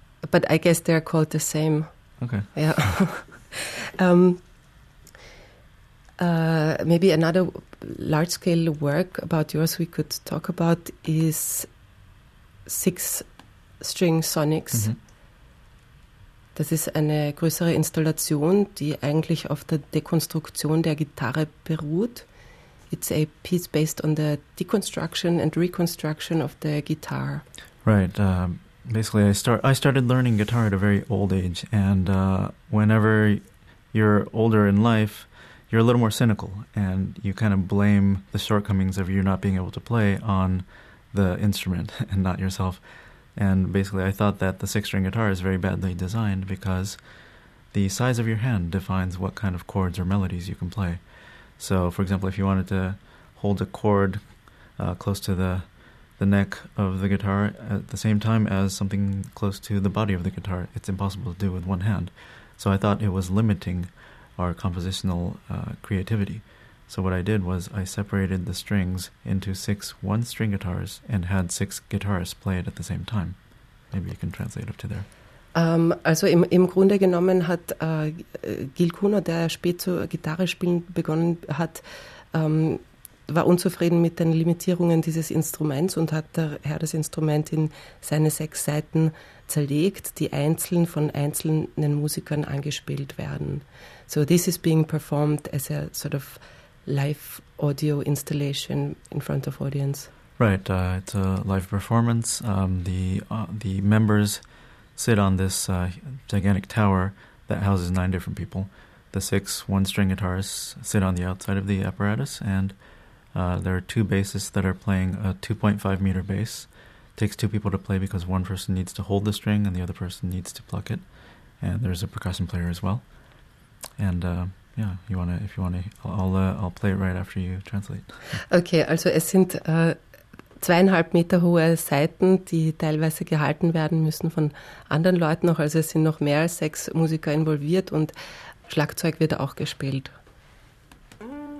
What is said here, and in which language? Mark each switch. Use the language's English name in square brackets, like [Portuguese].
[English] But I guess they're called the same. Okay. Yeah. maybe another large-scale work about yours we could talk about is Six-String Sonics. Mm-hmm. [German] Das ist eine größere Installation, die eigentlich auf der Dekonstruktion der Gitarre beruht. [English] It's a piece based on the deconstruction and reconstruction of the guitar. Right. Basically, I started learning guitar at a very old age, and whenever you're older in life, you're a little more cynical, and you kind of blame the shortcomings of you not being able to play on the instrument and not yourself. And basically, I thought that the six-string guitar is very badly designed because the size of your hand defines what kind of chords or melodies you can play. So, for example, if you wanted to hold a chord close to the neck of the guitar at the same time as something close to the body of the guitar, it's impossible to do with one hand. So I thought it was limiting our compositional creativity. So what I did was I separated the strings into 6 one-string guitars and had 6 guitarists play it at the same time. Maybe you can translate up to there. [German] Also im Grunde genommen hat Gil Kuno, der spät zu Gitarre spielen begonnen hat, war unzufrieden mit den Limitierungen dieses Instruments und hat daher das Instrument in seine 6 Saiten zerlegt, die einzeln von einzelnen Musikern angespielt werden. [English] So this is being performed as a sort of live audio installation in front of audience. Right, it's a live performance. The members sit on this gigantic tower that houses 9 different people. The 6 one-string guitarists sit on the outside of the apparatus, and there are 2 bassists that are playing a 2.5-meter bass. It takes 2 people to play because one person needs to hold the string and the other person needs to pluck it. And there's a percussion player as well. And I'll play it right after you translate. [German] Okay, also es sind 2,5 Meter hohe Saiten, die teilweise gehalten werden müssen von anderen Leuten noch. Also es sind noch mehr als 6 Musiker involviert und Schlagzeug wird auch gespielt. [English] Thank you.